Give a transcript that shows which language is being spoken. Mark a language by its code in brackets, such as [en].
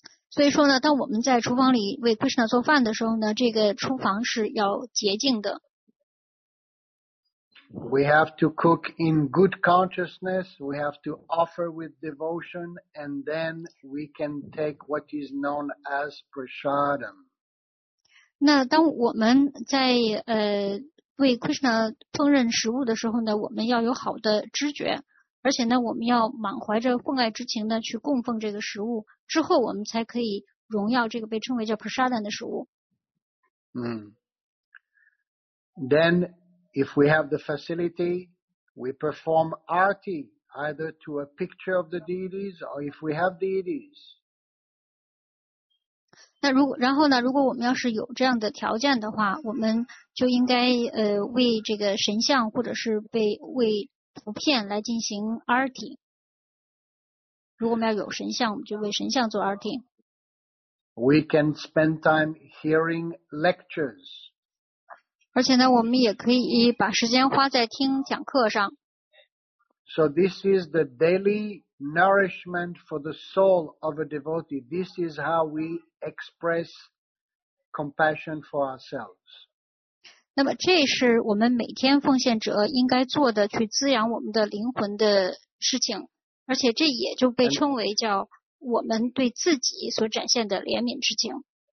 [zh] 所以说呢，当我们在厨房里为 Krishna 做饭的时候呢，这个厨房是要洁净的。 [en] We have to cook in good consciousness, we have to offer with devotion, and then we can take what is known as prasadam. [zh] 那当我们在为 Krishna 烹饪食物的时候呢，我们要有好的知觉，而且呢我们要满怀着奉爱之情的去供奉这个食物，之后我们才可以荣耀这个被称为叫 prasadam 的食物。 [en] Then if we have the facility, we perform arti, either to a picture of the deities or if we have deities. [zh] 那如果，然后呢，如果我们要是有这样的条件的话，我们就应该为这个神像或者是为图片来进行arti。如果我们要有神像，我们就为神像做arti。 [en] We can spend time hearing lectures. [zh] 而且呢，我们也可以把时间花在听讲课上。 [en] So this is the daily nourishment for the soul of a devotee. This is how we express compassion for ourselves. [zh] 那么这是我们每天奉献者应该做的，去滋养我们的灵魂的事情。而且这也就被称为叫我们对自己所展现的怜悯之情。